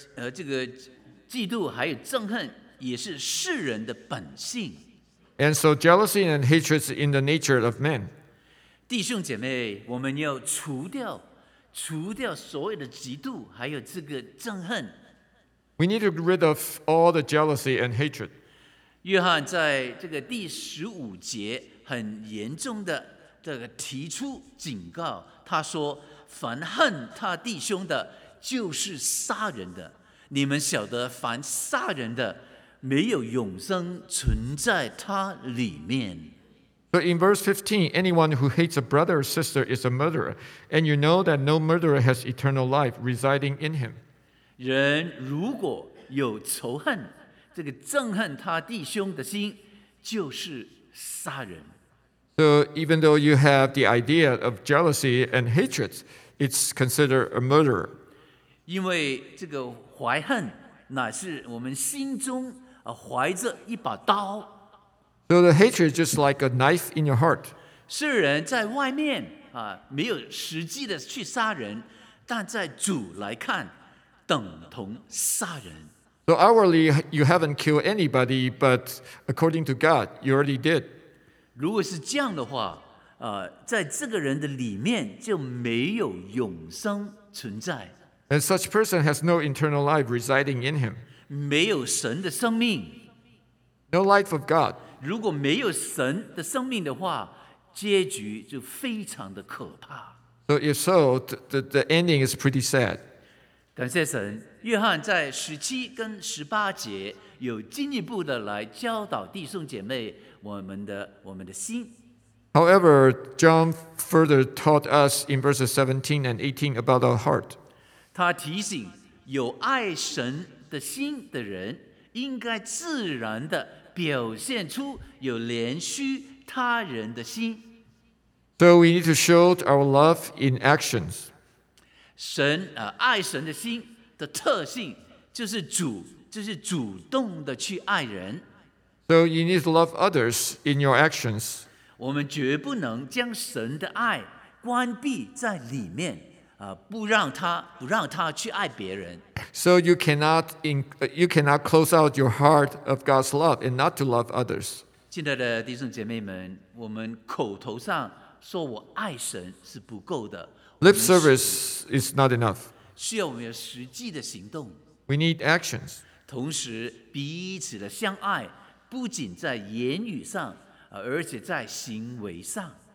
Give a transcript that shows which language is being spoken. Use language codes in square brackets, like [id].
[zh] 这个嫉妒还有憎恨也是世人的本性。 [en] And so jealousy and hatred is in the nature of men. [zh] 弟兄姐妹，我们要除掉所谓的嫉妒还有这个憎恨。 [en] We need to get rid of all the jealousy and hatred. [zh] 约翰在这个第十五节很严重的这个提出警告，他说：“凡恨他弟兄的，就是杀人的。你们晓得，凡杀人的，没有永生存在他里面。” [en] But in verse 15, anyone who hates a brother or sister is a murderer, and you know that no murderer has eternal life residing in him. [zh] 人如果有仇恨，这个憎恨他弟兄的心，就是杀人。 [en] So even though you have the idea of jealousy and hatred, it's considered a murderer. [zh] 因为这个怀恨乃是我们心中怀着一把刀。 [en] So the hatred is just like a knife in your heart. [zh] 世人在外面没有实际的去杀人，但在主来看等同杀人。 [en] So outwardly you haven't killed anybody, but according to God, you already did. [zh] 如果是这样的话，在这个人的里面就没有永生存在。 [en] And such person has no eternal life residing in him. [zh] 没有神的生命。 [en] No life of God. [zh] 如果没有神的生命的话，结局就非常的可怕。 [en] So if so, the ending is pretty sad. [zh] 感谢神，约翰在十七跟十八节有进一步的来教导弟兄姐妹。我们的心。 [en] However, John further taught us in verses 17 and 18 about our heart. [zh] 他提醒有爱神的心的人，应该自然的表现出有怜恤他人的心。 [en] So we need to show our love in actions. [zh] 神爱神的心的特性就是主动的去爱人。 [en] So you need to love others in your actions. [zh] 我们绝不能将神的爱关闭在里面，不让他去爱别人。 [en] So you cannot close out your heart of God's love and not to love others. [zh] 亲爱的弟兄姐妹们，我们口头上说我爱神是不够的。 [en] Lip service is not enough. [zh] 需要我们有实际的行动。 [en] We need actions. [zh] 同时彼此的相爱。不仅在言语上，而且在行为上。